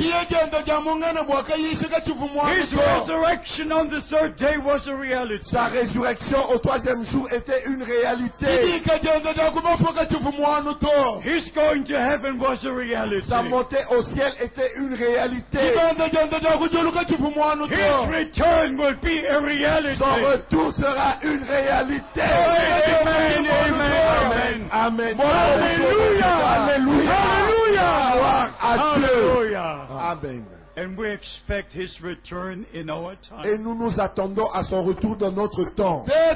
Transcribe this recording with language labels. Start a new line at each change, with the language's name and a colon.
English: His resurrection on the third day was a reality.
French: Sa résurrection au troisième jour était une réalité.
English: His going to heaven was a reality.
French: Sa montée au ciel était une réalité.
English: His return will be a reality.
French: Son retour sera une réalité. Amen. Amen. Amen. Amen. Alléluia. Alléluia. Alléluia. Alléluia. Amen.
English: And we expect his return in our time.
French: Et nous nous attendons à son retour dans notre temps.